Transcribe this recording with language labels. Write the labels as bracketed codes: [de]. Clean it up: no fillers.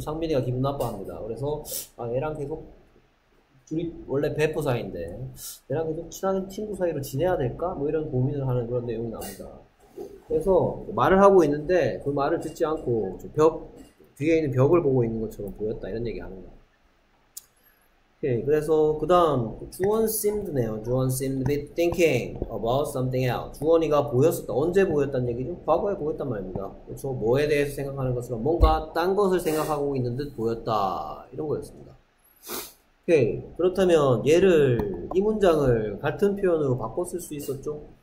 [ko] 상민이가 기분 나빠합니다. 그래서 아, 얘랑 계속 둘이 원래 베프 사이인데 얘랑 계속 친한 친구 사이로 지내야 될까? 뭐 이런 고민을 하는 그런 내용이 나옵니다. 그래서 말을 하고 있는데 그 말을 듣지 않고 저 벽 뒤에 있는 벽을 보고 있는 것처럼 보였다 이런 얘기 하는 거예요. 오케이. 그래서 그 다음 주원 seemed네요. [en] 주원 seemed to be thinking about something else. [ko] 주원이가 보였었다. 언제 보였단 얘기죠? 과거에 보였단 말입니다. 그렇죠? 뭐에 대해서 생각하는 것처럼 뭔가 딴 것을 생각하고 있는 듯 보였다. 이런 거였습니다. 오케이. 그렇다면 얘를 이 문장을 같은 표현으로 바꿨을 수 있었죠?